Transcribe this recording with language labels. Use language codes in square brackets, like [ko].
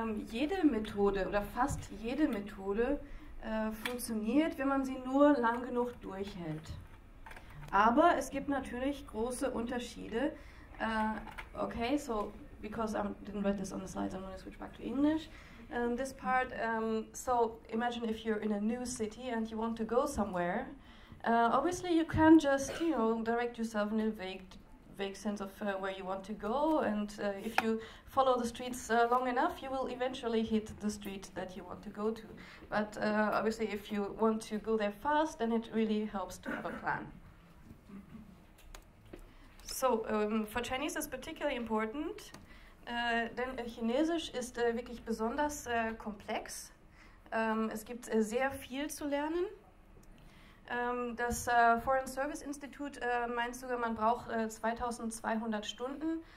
[de] jede Methode oder fast jede Methode funktioniert, wenn man sie nur lang genug durchhält. Aber es gibt natürlich große Unterschiede. [en] Okay, so because I didn't write this on the slides, I'm going to switch back to English. This part, so imagine if you're in a new city and you want to go somewhere. Obviously, you can just, you know, direct yourself in a vague sense of where you want to go. And if you follow the streets long enough, you will eventually hit the street that you want to go to. But obviously, if you want to go there fast, then it really helps to have a plan. So, for Chinese is particularly important, [de] denn Chinesisch ist wirklich besonders komplex. Es gibt sehr viel zu lernen. Das Foreign Service Institute meint sogar, man braucht 2200 Stunden.